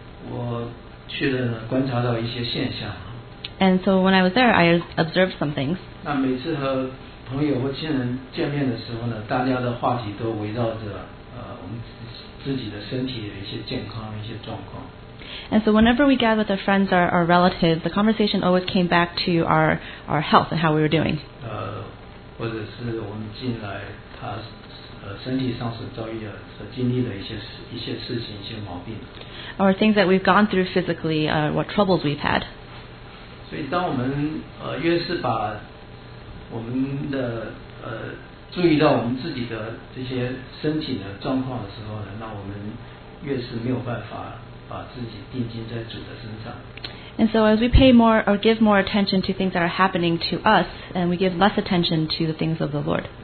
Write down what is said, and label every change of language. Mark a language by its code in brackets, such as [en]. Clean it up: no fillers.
[zh] 我去了，观察到一些现象。 [en] And so when I was there, I observed some things. [zh] 那每次和朋友或亲人见面的时候呢，大家的话题都围绕着我们自己的身体的一些健康、一些状况。 [en] And so whenever we gathered with our friends or our relatives, the conversation always came back to our health and how we were doing. [zh] 或者是我们近来他身体上所遭遇的、所经历的一些事情、一些毛病。 [en] Or things that we've gone through physically, what troubles we've had. [zh] 所以当我们越是把我们的注意到我们自己的这些身体的状况的时候呢，那我们越是没有办法把自己定睛在主的身上。 [en] And so as we pay more or give more attention to things that are happening to us, and we give less attention to the things of the Lord.